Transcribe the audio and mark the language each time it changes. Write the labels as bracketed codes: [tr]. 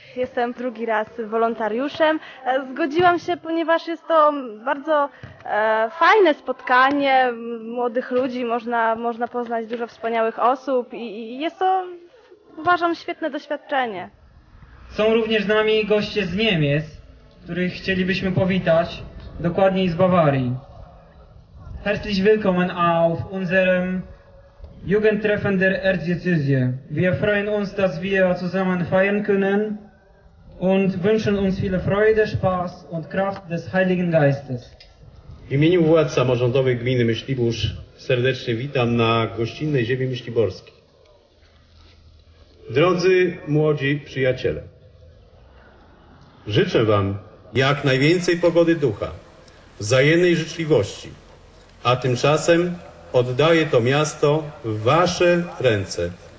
[pl] Jestem drugi raz wolontariuszem. Zgodziłam się, ponieważ jest to bardzo fajne spotkanie młodych ludzi, można poznać dużo wspaniałych osób i jest to, uważam, świetne doświadczenie. Są również z nami goście z Niemiec, których chcielibyśmy powitać, dokładniej z Bawarii. [de] Herzlich willkommen auf unserem Jugendtreffen der Erzdiözese. Wir freuen uns, dass wir zusammen feiern können und wünschen uns viele Freude, Spaß und Kraft des Heiligen Geistes. [pl] W imieniu władz samorządowych gminy Myśliborz serdecznie witam na gościnnej ziemi myśliborskiej. Drodzy młodzi przyjaciele, życzę wam jak najwięcej pogody ducha, wzajemnej życzliwości, a tymczasem oddaję to miasto w wasze ręce.